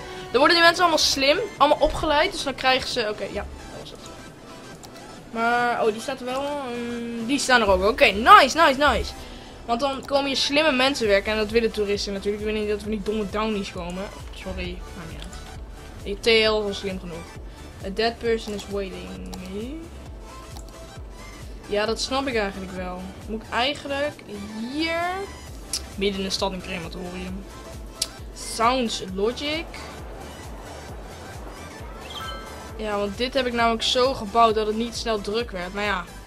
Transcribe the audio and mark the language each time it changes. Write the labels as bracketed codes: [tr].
[nl] Dan worden die mensen allemaal slim. Allemaal opgeleid. Dus dan krijgen ze. Oké, ja. Dat was het. Maar. Oh, die staat er wel. Die staan er ook. Oké, nice. Want dan komen hier slimme mensen werken. En dat willen toeristen natuurlijk. Ik weet niet dat we niet domme downies komen. Sorry. Maar niet uit. Die TL was slim genoeg. [en] A dead person is waiting. [nl] Ja, dat snap ik eigenlijk wel. Moet ik eigenlijk hier. Midden in de stad een crematorium. [en] Sounds logic. [nl] Ja, want dit heb ik namelijk zo gebouwd dat het niet snel druk werd. Maar ja.